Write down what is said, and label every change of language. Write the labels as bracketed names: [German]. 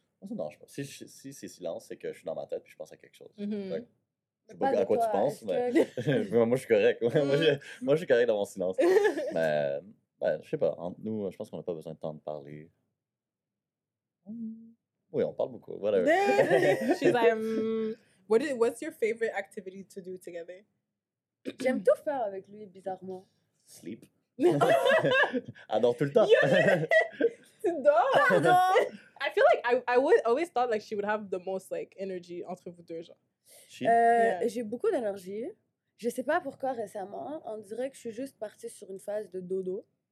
[French] Non, je pense. Si c'est silence, c'est que je suis dans ma tête et je pense à quelque chose. Mm-hmm. Je ne sais pas à quoi tu penses, mais moi, je suis correct. Moi, je suis correct dans mon silence. Mais ben, je ne sais pas. Entre nous, je pense qu'on n'a pas besoin de temps de parler. Oui, on parle beaucoup. Whatever. [English] She's like, what's your favorite activity to do together? [French] J'aime tout faire avec lui, bizarrement. Sleep. Adore tout le temps. Pardon. [English] I feel like I would always thought like she would have the most like energy [French] entre vous deux, [English] genre. [French] J'ai beaucoup d'énergie. Je sais pas pourquoi récemment, on dirait que je suis juste partie sur une phase de dodo.